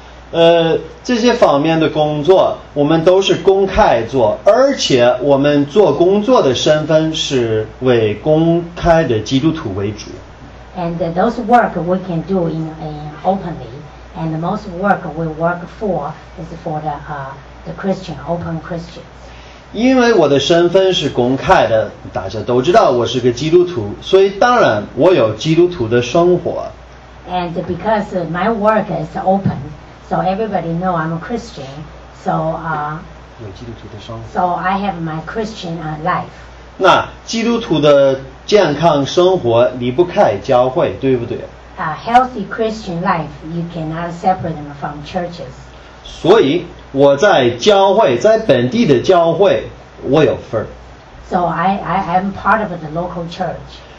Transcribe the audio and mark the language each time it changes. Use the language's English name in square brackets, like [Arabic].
[Chinese] Investment. 这些方面的工作我们都是公开做，而且我们做工作的身份是为公开的基督徒为主。 [English] And those work we can do in openly, and the most work we work for is for the Christian, open Christians. [Chinese] 因为我的身份是公开的，大家都知道我是个基督徒，所以当然我有基督徒的生活。 [English] And because my work is open, so everybody know I'm a Christian, so [Chinese] 有基督徒的生活。 [English] So I have my Christian life. [Chinese] 那基督徒的健康生活离不开教会，对不对？ [English] Healthy Christian life, you cannot separate them from churches. [Chinese] 所以。我在教会，在本地的教会，我有份儿。 [English] So I am part of the local church.